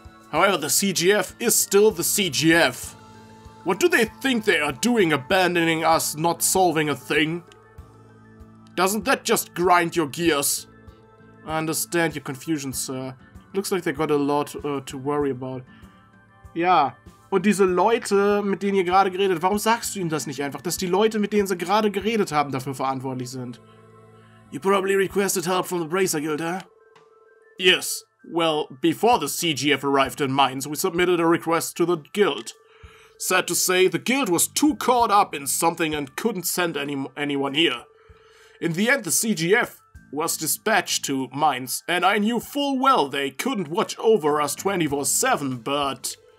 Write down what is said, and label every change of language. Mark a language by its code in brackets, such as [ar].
[en] However, the CGF is still the CGF. What do they think they are doing, abandoning us, not solving a thing? Doesn't that just grind your gears? I understand your confusion, sir. Looks like they got a lot to worry about. [de] Ja, und diese Leute, mit denen ihr gerade geredet, warum sagst du ihnen das nicht einfach, dass die Leute, mit denen sie gerade geredet haben, dafür verantwortlich sind? [en] You probably requested help from the Bracer Guild, eh? Yes. Well, before the CGF arrived in Mainz, we submitted a request to the Guild. Sad to say, the Guild was too caught up in something and couldn't send anyone here. In the end, the CGF was dispatched to Mainz, and I knew full well they couldn't watch over us 24/7, but...